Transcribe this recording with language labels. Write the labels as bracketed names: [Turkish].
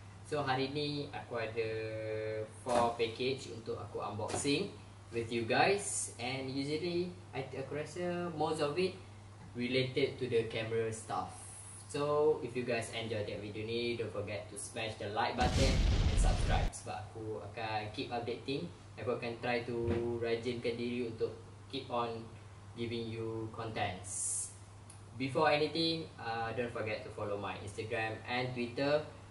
[Malay] So hari ni aku ada 4 package untuk aku [English] unboxing with you guys. And usually [Malay] aku rasa [English] most of it related to the camera stuff. So, if you guys enjoy that video [Malay] ni, [English] don't forget to smash the like button and subscribe. [Malay] Sebab aku akan [English] keep updating. [Malay] Aku akan [English] try to [Malay] rajinkan diri untuk [English] keep on giving you contents. Before anything, don't forget to follow my Instagram and Twitter.